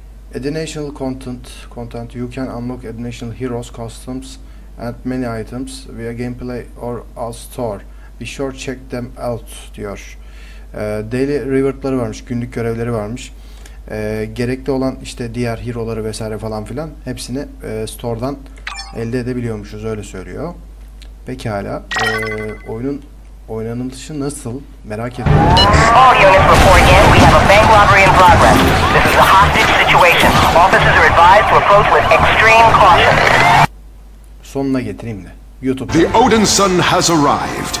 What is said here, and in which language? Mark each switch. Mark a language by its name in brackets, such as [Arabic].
[English] Add additional content. You can unlock additional heroes, costumes and many items via gameplay or a store. Be sure to check them out [Turkish] diyor. Daily reward'ları varmış, günlük görevleri varmış. Gerekli olan işte diğer hero'ları vesaire falan filan hepsini store'dan elde edebiliyormuşuz, öyle söylüyor. Pekala, oyunun oynanışı nasıl? Merak ediyorum. [English] All units report in. We have a bank robbery in progress. This is a hostage situation. Officers are advised to approach with extreme caution. [Turkish] Sonuna getireyim de. [English] YouTube. The Odin Sun has arrived.